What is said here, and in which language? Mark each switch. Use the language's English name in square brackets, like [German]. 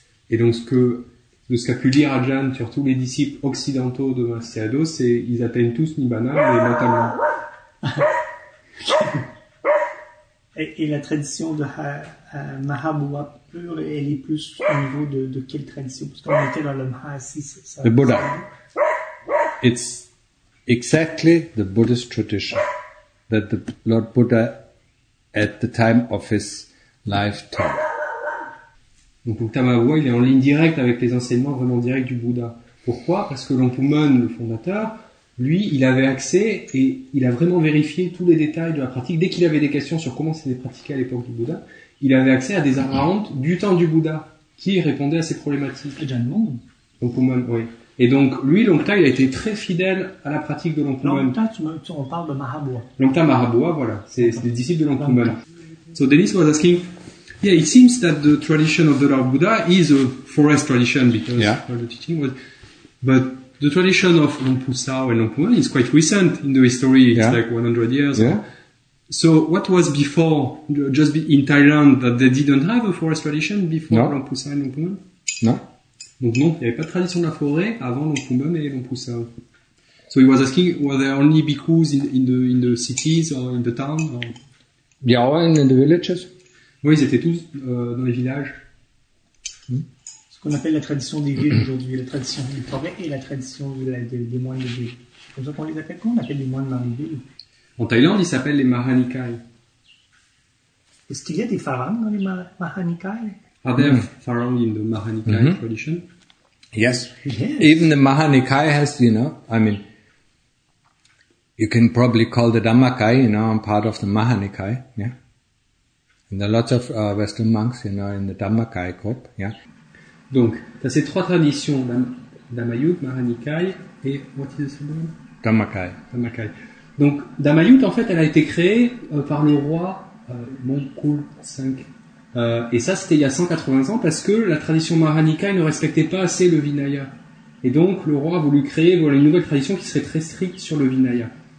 [French] Et donc, ce qu'a pu lire Ajahn sur tous les disciples occidentaux de Mahasi Sayado, c'est ils atteignent tous Nibbana, mais mentalement. Et la tradition de Mahabua pure, elle est plus au niveau de quelle tradition? Parce qu'on était dans le Mahasi, c'est ça. Le Bouddha. [English] It's exactly the Buddhist tradition that the Lord Buddha at the time of his lifetime. [French] Donc Lompumon, il est en ligne directe avec les enseignements vraiment directs du Bouddha. Pourquoi? Parce que Lompumon, le fondateur, lui, il avait accès et il a vraiment vérifié tous les détails de la pratique. Dès qu'il avait des questions sur comment c'était pratiqué à l'époque du Bouddha, il avait accès à des arahants du temps du Bouddha qui répondaient à ses problématiques. Ajahn Moon. Lompumon, oui. Et donc, lui, Longta, il a été très fidèle à la pratique de Lompumon. Longta, on parle de Mahabua. Longta Mahabua, voilà. C'est des disciples de Lompumon. [English] So, Dennis was asking, yeah, it seems that the tradition of the Lord Buddha is a forest tradition because the teaching was, but the tradition of Lompusao and Lompumon is quite recent in the history. It's like 100 years. Yeah. So, what was before, just in Thailand, that they didn't have a forest tradition before Lompusao and Lompumon? No. [French] Donc non, il n'y avait pas de tradition de la forêt avant Lompumon et Lompusao. [English] So he was asking, were there only bhikkhus in the cities or in the town? Yeah, and in the villages. [French] Oui, ils étaient tous dans les villages. Ce qu'on appelle la tradition des villes aujourd'hui, la tradition des forêts et la tradition des moines de villes. C'est comme ça qu'on les appelle. Comment on appelle les moines dans les villes? En Thaïlande, ils s'appellent les Mahanikai. Est-ce qu'il y a des pharaons dans les Mahanikai? [English] Are there pharaoh in the Mahanikaya tradition? Yes. Yes. Even the Mahanikaya has, you know, I mean, you can probably call the Dhammakaya, you know, I'm part of the Mahanikaya, yeah. And there are lots of Western monks, you know, in the Dhammakaya group, yeah. [French] Donc, tu as ces trois traditions, Dhammayut, Mahanikaya, et [English] what is the second one? Dhammakaya. [French] Dhammakaya. Donc, Dhammayut, en fait, elle a été créée par le roi Mongkul 5. Et ça, c'était il y a 180 ans parce que la tradition Mahanika ne respectait pas assez le Vinaya. Et donc, le roi a voulu créer voilà, une nouvelle tradition qui serait très stricte sur le Vinaya.